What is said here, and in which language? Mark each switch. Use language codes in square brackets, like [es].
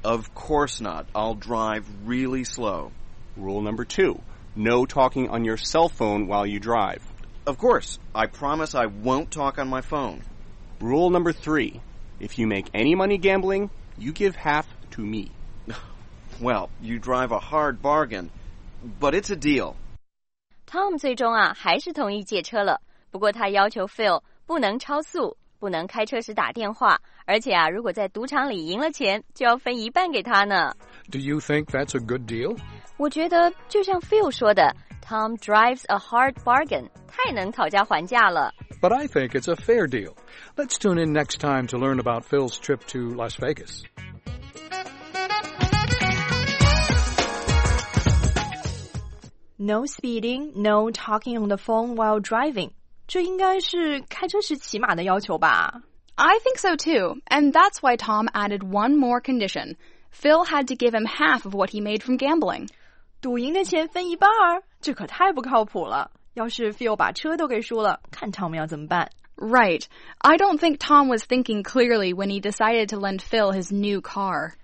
[en] Of course not. I'll drive really slow. Rule number two, no talking on your cell phone while you drive. Of course. I promise I won't talk on my phone. Rule number three, if you make any money gambling, you give half to me. Well, you drive a hard bargain. But it's a deal. [zh] Tom 最终啊还是同意借车了，不过他要求 Phil 不能超速，不能开车时打电话，而且啊如果在赌场里赢了钱就要分一半给他呢。 [en] Do you think that's a good deal? [zh] 我觉得就像 Phil 说的， [en] Tom drives a hard bargain， [zh] 太能讨价还价了。 [en] But I think it's a fair deal. Let's tune in next time to learn about Phil's trip to Las Vegas. No speeding, no talking on the phone while driving. [zh] 这应该是开车时起码的要求吧。 [en] I think so too, and that's why Tom added one more condition. Phil had to give him half of what he made from gambling. [zh] 赌赢的钱分一半儿？这可太不靠谱了。要是 Phil 把车都给输了，看 Tom 要怎么办。 [en] Right. I don't think Tom was thinking clearly when he decided to lend Phil his new car.